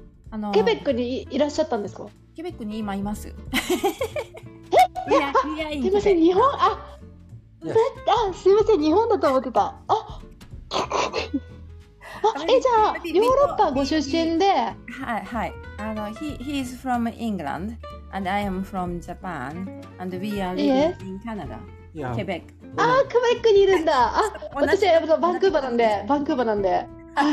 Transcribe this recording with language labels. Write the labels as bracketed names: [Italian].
[Japanese] あの、ケベックにいらっしゃったんですか？ケベックに今います。え？いや、いや、すいません、日本、あ、yeah. あ、すいません、日本だと思ってた。あ、あ、え、じゃあヨーロッパご出身で、 [English] はいはい、あの he is from England and I am from Japan and we are living in Canada、 yeah. Quebec、 [Japanese] あ、クベックにいるんだ。あ、私はバンクーバーなんで、バンクーバーなんで、はい、あ、